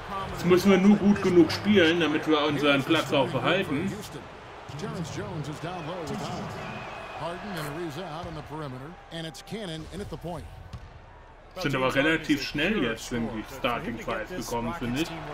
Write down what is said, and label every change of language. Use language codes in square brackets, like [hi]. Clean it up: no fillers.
[de] Jetzt müssen wir nur gut genug spielen, damit wir unseren Platz auch behalten. [en] Terrence Jones is down low with Harden. Harden and Ariza out on the perimeter, and it's Cannon in at the point. [de] Sind aber relativ schnell jetzt, wenn die Starting Five gekommen, finde ich.